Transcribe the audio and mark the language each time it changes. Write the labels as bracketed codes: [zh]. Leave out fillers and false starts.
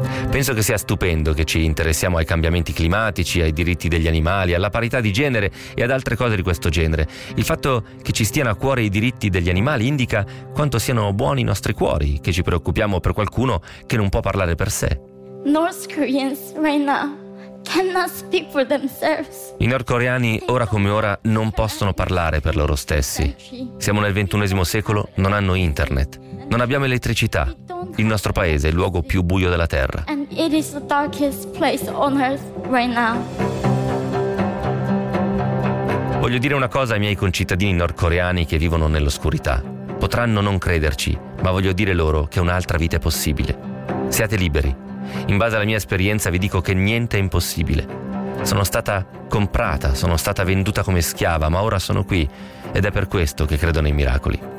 [it] Penso che sia stupendo che ci interessiamo ai cambiamenti climatici, ai diritti degli animali, alla parità di genere e ad altre cose di questo genere. Il fatto che ci stiano a cuore i diritti degli animali indica quanto siano buoni i nostri cuori, che ci preoccupiamo per qualcuno che non può parlare per sé. [en] North Koreans right now cannot speak for themselves. [it] I nordcoreani ora come ora non possono parlare per loro stessi. Siamo nel 21° secolo, non hanno internet. Non abbiamo elettricità. Il nostro paese è il luogo più buio della Terra. [en] And it is the darkest place on earth right now. [it] Voglio dire una cosa ai miei concittadini nordcoreani che vivono nell'oscurità. Potranno non crederci, ma voglio dire loro che un'altra vita è possibile. Siate liberi. In base alla mia esperienza vi dico che niente è impossibile. Sono stata comprata, sono stata venduta come schiava, ma ora sono qui ed è per questo che credo nei miracoli.